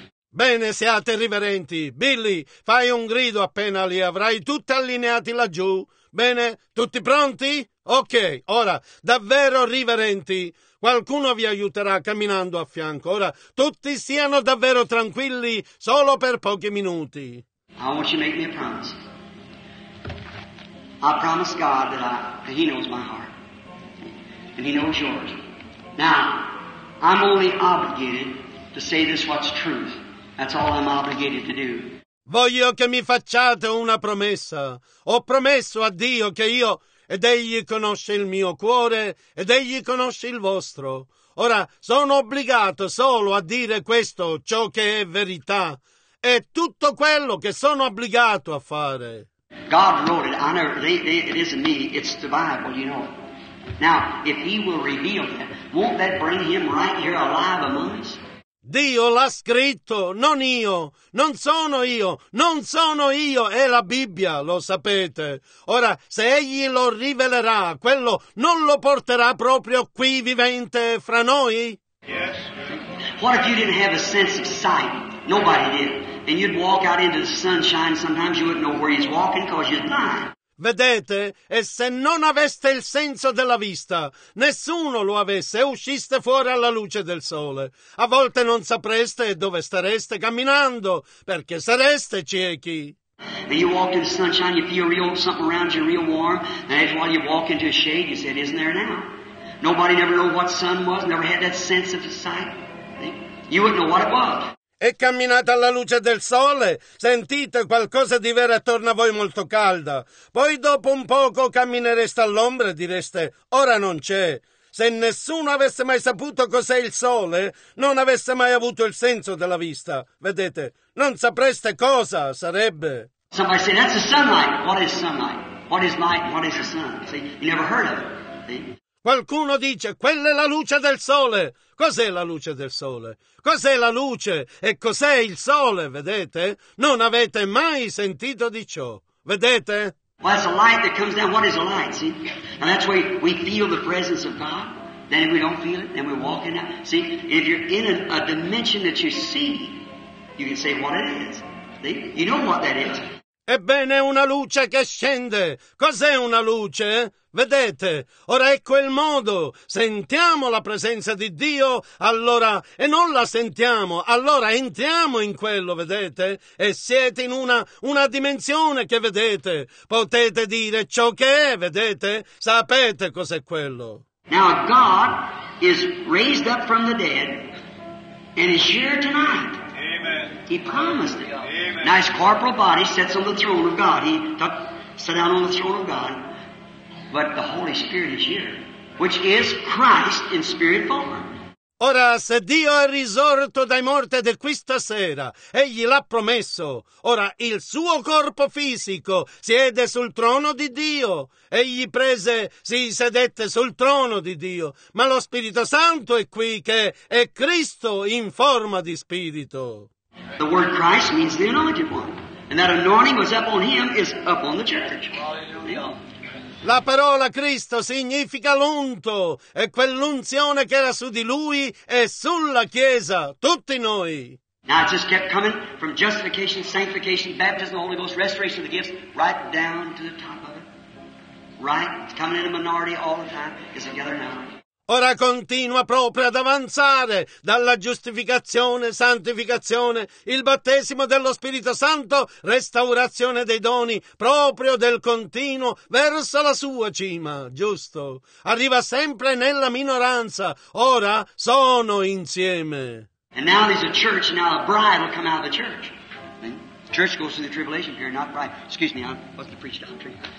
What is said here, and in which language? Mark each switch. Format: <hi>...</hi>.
<it>Bene, siate riverenti. Billy, fai un grido appena li avrai tutti allineati laggiù. Bene, tutti pronti? Ok, ora, davvero riverenti, qualcuno vi aiuterà camminando a fianco. Ora, tutti siano davvero tranquilli, solo per pochi minuti.</it> <en>I want you to make me a promise. I promise God that He knows my heart. And He knows yours. Now, I'm only obligated to say this what's truth. That's all I'm obligated to do.</en> <it>Voglio che mi facciate una promessa. Ho promesso a Dio che io... Ed egli conosce il mio cuore, ed egli conosce il vostro. Ora, sono obbligato solo a dire questo, ciò che è verità. È tutto quello che sono obbligato a fare.</it> <en>God wrote it. I know, it isn't me, it's the Bible, you know. Now, if He will reveal that, won't that bring Him right here alive among us?</en> <it>Dio l'ha scritto, non io, non sono io, non sono io, è la Bibbia, lo sapete. Ora, se egli lo rivelerà, quello non lo porterà proprio qui vivente fra noi?</it> <en>Yes. What if you didn't have a sense of sight? Nobody did. And you'd walk out into the sunshine, sometimes you wouldn't know where he's walking because you're blind.</en> <it>Vedete? E se non aveste il senso della vista, nessuno lo avesse e usciste fuori alla luce del sole. A volte non sapreste dove stareste camminando, perché sareste ciechi.</it> <en>And you walk in the sunshine, you feel real something around you, real warm, and as while you walk into a shade, you said, isn't there now? Nobody never knew what sun was, never had that sense of sight. You wouldn't know what it was.</en> <it>E camminate alla luce del sole, sentite qualcosa di vero attorno a voi molto calda. Poi dopo un poco camminereste all'ombra e direste, ora non c'è. Se nessuno avesse mai saputo cos'è il sole, non avesse mai avuto il senso della vista. Vedete, non sapreste cosa sarebbe.</it> <en>Somebody say, that's the sunlight. What is sunlight? What is light? What is the sun? See, you never heard of it. See?</en> <it>Qualcuno dice, quella è la luce del sole. Cos'è la luce del sole? Cos'è la luce e cos'è il sole, vedete? Non avete mai sentito di ciò, vedete?</it> <en>Well, it's a light that comes down. What is a light, see? And that's where we feel the presence of God. Then if we don't feel it, then we're walking out. See, if you're in a dimension that you see, you can say what it is. See? You know what that is.</en> <it>Ebbene, una luce che scende. Cos'è una luce? Vedete, ora ecco il modo. Sentiamo la presenza di Dio, allora, e non la sentiamo, allora entriamo in quello, vedete? E siete in una dimensione che vedete. Potete dire ciò che è, vedete? Sapete cos'è quello.</it> <en>Now God is raised up from the dead and is here tonight. He promised it. Amen. Now his corporal body sits on the throne of God. Sat down on the throne of God. But the Holy Spirit is here, which is Christ in spirit form.</en> <it>Ora, se Dio è risorto dai morti di questa sera, egli l'ha promesso. Ora, il suo corpo fisico siede sul trono di Dio. Egli prese, si sedette sul trono di Dio. Ma lo Spirito Santo è qui, che è Cristo in forma di Spirito.</it> <en>The word Christ means the anointed one. And that anointing was up on him is up on the church.</en> <it>La parola Cristo significa l'unto, e quell'unzione che era su di lui è sulla Chiesa, tutti noi.</it> <en>Now it just kept coming from justification, sanctification, baptism, Holy Ghost, restoration of the gifts, right down to the top of it. Right? It's coming in a minority all the time. It's together now.</en> <it>Ora continua proprio ad avanzare dalla giustificazione, santificazione, il battesimo dello Spirito Santo, restaurazione dei doni, proprio del continuo verso la sua cima, giusto? Arriva sempre nella minoranza, ora sono insieme.</it> <en>And now there's a church, and now a bride will come out of the church. The church goes through the tribulation period, not bride. Excuse me, I wasn't to preach down the tree.</en>